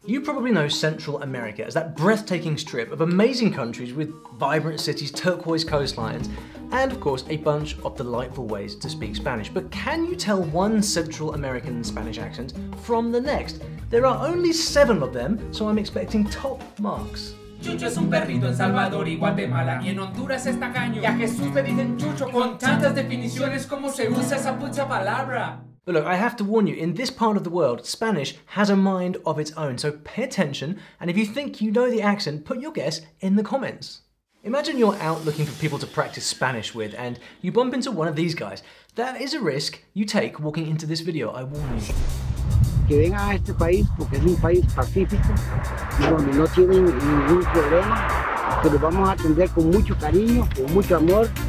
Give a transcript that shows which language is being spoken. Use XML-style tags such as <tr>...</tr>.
<en>You probably know Central America as that breathtaking strip of amazing countries with vibrant cities, turquoise coastlines, and of course, a bunch of delightful ways to speak Spanish. But can you tell one Central American Spanish accent from the next? There are only 7 of them, so I'm expecting top marks.</en> <es>Chucho es un perrito en Salvador y Guatemala, y en Honduras es tacaño. Y a Jesús le dicen Chucho con tantas definiciones como se usa esa pucha palabra.</es> <en>But look, I have to warn you, in this part of the world, Spanish has a mind of its own, so pay attention, and if you think you know the accent, put your guess in the comments. Imagine you're out looking for people to practice Spanish with, and you bump into one of these guys. That is a risk you take walking into this video, I warn you.</en> <es>Que venga a este país porque es un país pacífico, donde no tienen ningún problema, pero vamos a atender con mucho cariño, con mucho amor.</es>